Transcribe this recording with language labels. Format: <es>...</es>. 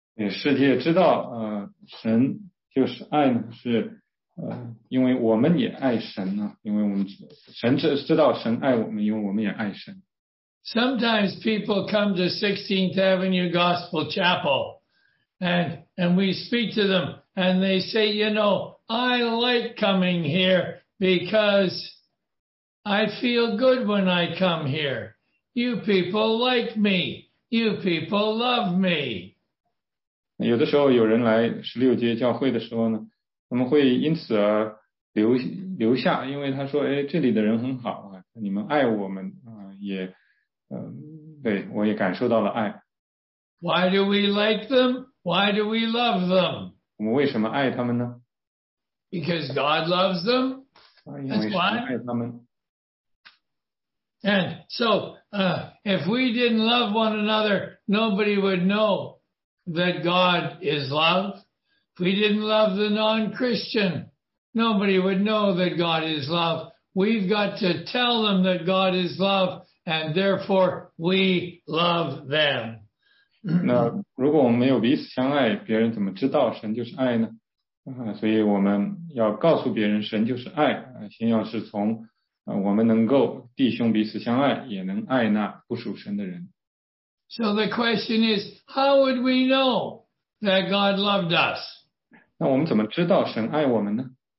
<zh>世界知道神就是爱呢，是因为我们也爱神呢，因为我们神知道神爱我们，因为我们也爱神。</zh> <en>Sometimes people come to 16th Avenue Gospel Chapel and we speak to them and they say, you know, I like coming here because I feel good when I come here. You people like me. You people love me.</en> <zh>有的时候有人来16街教会的时候呢，他们会因此而留下，因为他说，哎，这里的人很好，你们爱我们，也对，我也感受到了爱。</zh> <en>Why do we like them? Why do we love them?</en> <zh>我们为什么爱他们呢？</zh> <en>Because God loves them. That's why.</en> <zh>因为神爱他们。</zh> <en>And so, if we didn't love one another, nobody would know that God is love. If we didn't love the non-Christian, nobody would know that God is love. We've got to tell them that God is love. And therefore, we love them.</en> <zh>那如果我们没有彼此相爱，别人怎么知道神就是爱呢？所以我们要告诉别人神就是爱，先要是从我们能够弟兄彼此相爱，也能爱那不属神的人。</zh> <en>So the question is, how would we know that God loved us?</en> <zh>那我们怎么知道神爱我们呢？</zh>